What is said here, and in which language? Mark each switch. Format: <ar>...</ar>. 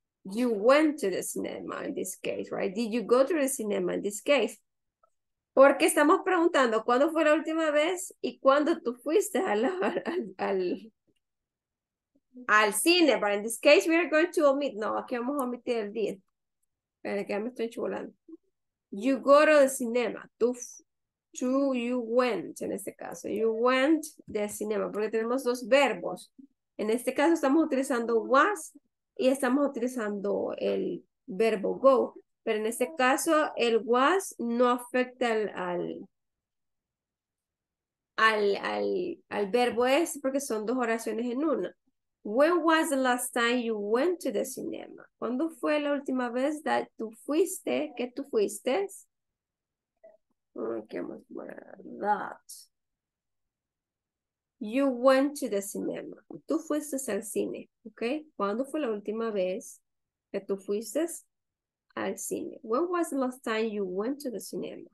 <en>You went to the cinema in this case, right? Did you go to the cinema in this case?</en> <es>Porque estamos preguntando cuándo fue la última vez y cuándo tú fuiste al al cine,</es> <en>but in this case we are going to omit.</en> <es>No, aquí vamos a omitir el did. Espera, que ya me estoy chulando.</es> <en>You go to the cinema. You went,</en> <es>en este caso.</es> <en>You went to the cinema.</en> <es>Porque tenemos dos verbos. En este caso estamos utilizando was y estamos utilizando el verbo go. Pero en este caso el was no afecta al verbo es porque son dos oraciones en una.</es> <en>When was the last time you went to the cinema?</en> <es>¿Cuándo fue la última vez that tú fuiste? ¿Que tú fuiste? Okay, vamos a ver that.</es> <en>You went to the cinema.</en> <es>Tú fuiste al cine, ¿ok? ¿Cuándo fue la última vez que tú fuiste al cine?</es> <en>When was the last time you went to the cinema?</en>